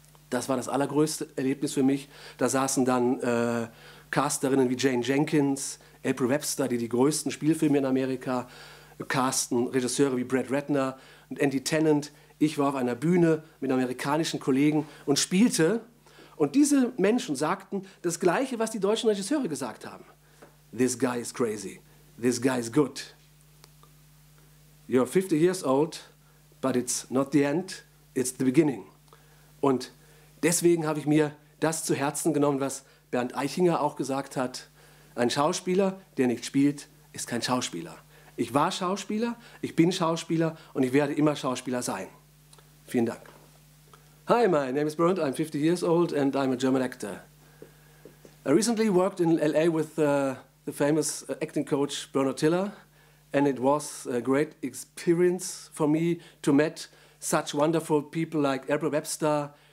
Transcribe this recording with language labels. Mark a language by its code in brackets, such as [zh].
[de] Das war das allergrößte Erlebnis für mich. Da saßen dann Casterinnen wie Jane Jenkins, April Webster, die größten Spielfilme in Amerika casten, Regisseure wie Brad Ratner und Andy Tennant. Ich war auf einer Bühne mit amerikanischen Kollegen und spielte. Und diese Menschen sagten das Gleiche, was die deutschen Regisseure gesagt haben. [en] This guy is crazy. This guy is good. You're 50 years old, but it's not the end, it's the beginning. [de] Und deswegen habe ich mir das zu Herzen genommen, was Bernd Eichinger auch gesagt hat, ein Schauspieler, der nicht spielt, ist kein Schauspieler. Ich war Schauspieler, ich bin Schauspieler und ich werde immer Schauspieler sein. Vielen Dank. [en] Hi, my name is Bernd, I'm 50 years old and I'm a German actor. I recently worked in L.A. with the famous acting coach Bernard Hiller and it was a great experience for me to meet such wonderful people like April Webster.